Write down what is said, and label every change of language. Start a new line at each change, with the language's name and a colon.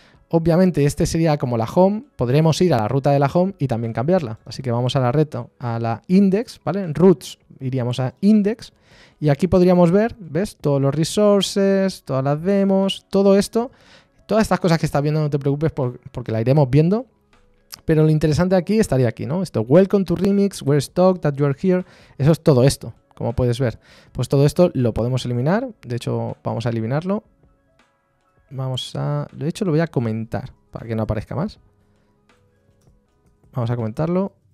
Spanish: Obviamente, este sería como la home. Podremos ir a la ruta de la home y también cambiarla. Así que vamos a la reto, a la index, ¿vale? En roots iríamos a index. Y aquí podríamos ver, ¿ves? Todos los resources, todas las demos, todo esto. Todas estas cosas que estás viendo, no te preocupes porque la iremos viendo. Pero lo interesante aquí estaría aquí, ¿no?
English: Esto, welcome to Remix, we're stoked that you are here.
Spanish: Eso es todo esto, como puedes ver. Pues todo esto lo podemos eliminar. De hecho, vamos a eliminarlo. De hecho, lo voy a comentar para que no aparezca más. Vamos a comentarlo.